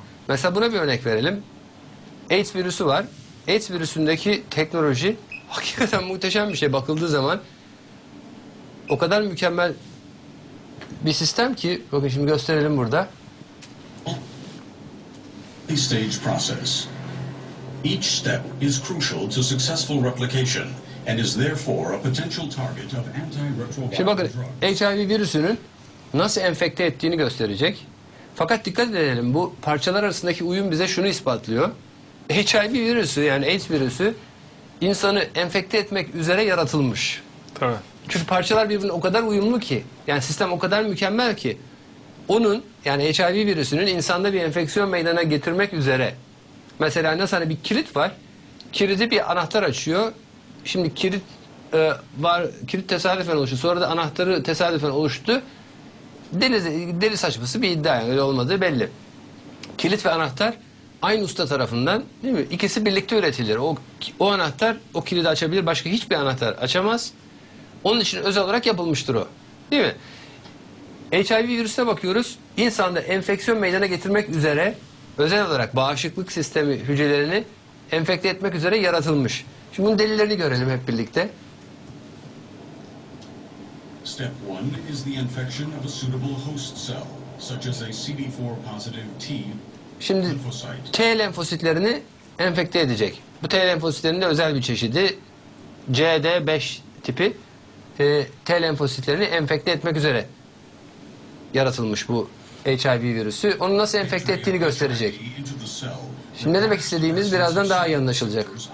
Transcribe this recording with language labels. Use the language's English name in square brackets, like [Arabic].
[Turkish] Mesela buna bir örnek verelim. AIDS virüsü var. AIDS virüsündeki teknoloji hakikaten muhteşem bir şey bakıldığı zaman. O kadar mükemmel bir sistem ki, bakın şimdi gösterelim burada. [English] Stage process. Each step is crucial to successful replication and is therefore a potential target of antiretroviral. [Turkish] Şimdi bakın HIV virüsünün nasıl enfekte ettiğini gösterecek. Fakat dikkat edelim bu parçalar arasındaki uyum bize şunu ispatlıyor. HIV virüsü yani AIDS virüsü insanı enfekte etmek üzere yaratılmış. Tabii. Çünkü parçalar birbirine o kadar uyumlu ki yani sistem o kadar mükemmel ki onun yani HIV virüsünün insanda bir enfeksiyon meydana getirmek üzere. Mesela nasıl hani bir kilit var, kilidi bir anahtar açıyor. Şimdi kilit var, kilit tesadüfen oluştu. Sonra da anahtarı tesadüfen oluştu. Deli saçması bir iddia yani öyle olmadığı belli. Kilit ve anahtar aynı usta tarafından, değil mi? İkisi birlikte üretilir. O anahtar o kilidi açabilir. Başka hiçbir anahtar açamaz. Onun için özel olarak yapılmıştır o. Değil mi? HIV virüsüne bakıyoruz. İnsanda enfeksiyon meydana getirmek üzere özel olarak bağışıklık sistemi hücrelerini enfekte etmek üzere yaratılmış. Şimdi bunun delillerini görelim hep birlikte. [English] Step 1 is the infection of a suitable host cell, such as a CD4 positive T. [Turkish] Şimdi T lenfositlerini enfekte edecek. Bu T lenfositlerinin de özel bir çeşidi. CD5 tipi T lenfositlerini enfekte etmek üzere yaratılmış bu HIV virüsü. Onu nasıl enfekte ettiğini gösterecek. Şimdi ne demek istediğimiz birazdan daha iyi anlaşılacak.